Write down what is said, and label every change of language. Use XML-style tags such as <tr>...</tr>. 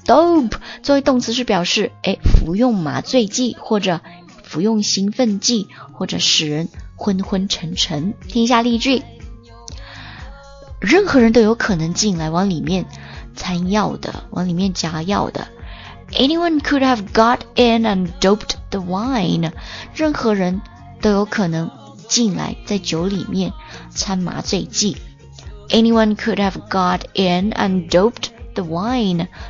<zh>dope 作为动词是表示服用麻醉剂或者服用兴奋剂或者使人昏昏沉沉。听一下例句，任何人都有可能进来往里面掺药的，往里面加药的。</zh> <en>Anyone could have got in and doped the wine.</en> <zh>任何人都有可能进来在酒里面掺麻醉剂。</zh> <en>Anyone could have got in and doped the wine.</en>